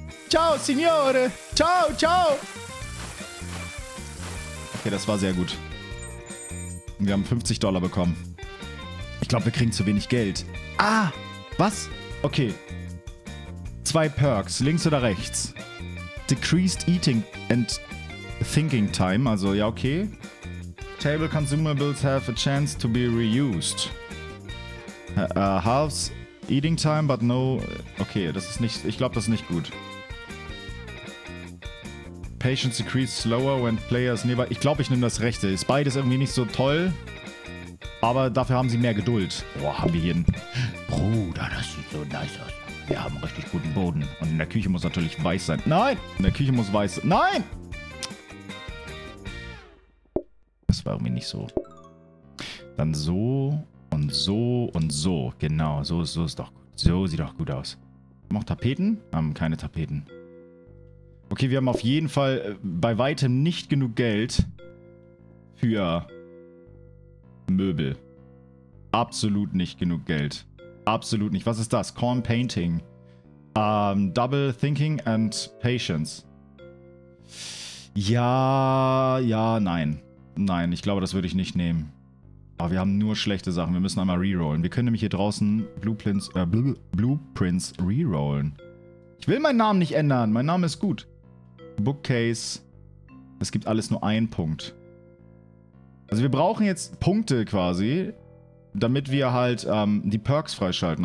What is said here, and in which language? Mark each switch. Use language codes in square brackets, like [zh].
[it] Ciao, Signore! Ciao, ciao! [de] Okay, das war sehr gut. Wir haben $50 bekommen. Ich glaube, wir kriegen zu wenig Geld. Ah! Was? Okay. Zwei Perks, links oder rechts? [en] Decreased Eating and Thinking Time. [de] Also, ja, okay. [en] Table Consumables have a chance to be reused. Halves Eating Time, but no... [de] Okay, das ist nicht... Ich glaube, das ist nicht gut. [en] Patience decreased slower when players nearby. [de] Ich glaube, ich nehme das Rechte. Ist beides irgendwie nicht so toll. Aber dafür haben sie mehr Geduld. Boah, haben wir hier einen. Bruder, das sieht so nice aus. Wir haben richtig guten Boden. Und in der Küche muss natürlich weiß sein. Nein! In der Küche muss weiß sein. Nein! Das war irgendwie nicht so. Dann so und so und so. Genau, so, so ist doch gut. So sieht doch gut aus. Haben auch Tapeten? Haben keine Tapeten. Okay, wir haben auf jeden Fall bei weitem nicht genug Geld für Möbel. Absolut nicht genug Geld. Absolut nicht. Was ist das? Corn Painting. [en] Double Thinking and Patience. [de] Ja, ja, nein. Nein, ich glaube, das würde ich nicht nehmen. Aber wir haben nur schlechte Sachen. Wir müssen einmal rerollen. Wir können nämlich hier draußen Blueprints rerollen. Ich will meinen Namen nicht ändern. Mein Name ist gut. Bookcase. Es gibt alles nur einen Punkt. Also wir brauchen jetzt Punkte quasi, damit wir halt die Perks freischalten.